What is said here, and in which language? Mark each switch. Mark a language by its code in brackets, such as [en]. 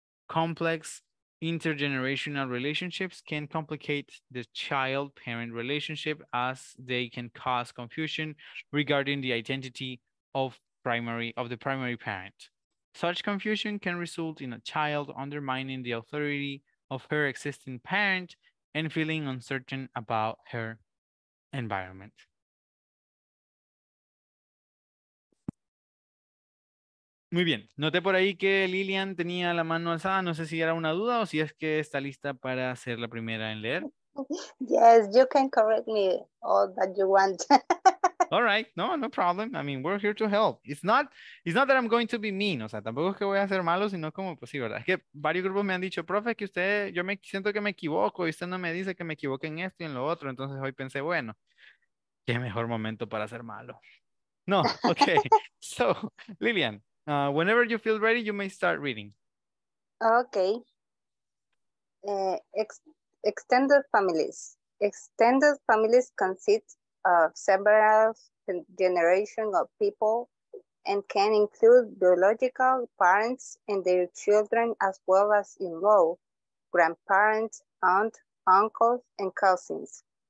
[en] Complex intergenerational relationships can complicate the child-parent relationship as they can cause confusion regarding the identity of the primary parent. Such confusion can result in a child undermining the authority of her existing parent and feeling uncertain about her environment. [es] Muy bien, noté por ahí que Lilian tenía la mano alzada, no sé si era una duda o si es que está lista para ser la primera en leer. [en] Yes, you can correct me all that you want. All right, no problem. I mean, we're here to help. It's not that I'm going to be mean, [es] o sea, tampoco es que voy a ser malo, sino como, pues sí, ¿verdad? Es que varios grupos me han dicho, profe, que usted, yo me siento que me equivoco y usted no me dice que me equivoque en esto y en lo otro. Entonces hoy pensé, bueno, qué mejor momento para ser malo. [en] No, okay. So, Lilian, whenever you feel ready, you may start reading. Okay. Extended families. Extended families consist of several generations of people and can include biological parents and their children, as well as in-law, grandparents, aunts, uncles, and cousins.